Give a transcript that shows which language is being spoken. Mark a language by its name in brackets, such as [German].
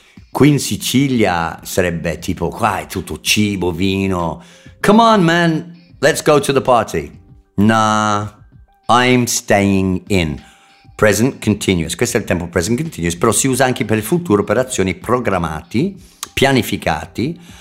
[Italian] Qui in Sicilia sarebbe tipo, qua è tutto cibo, vino. [English] Come on, man, let's go to the party. Nah, I'm staying in. Present continuous. [Italian] Questo è il tempo present continuous, però si usa anche per il futuro, per azioni programmati, pianificati.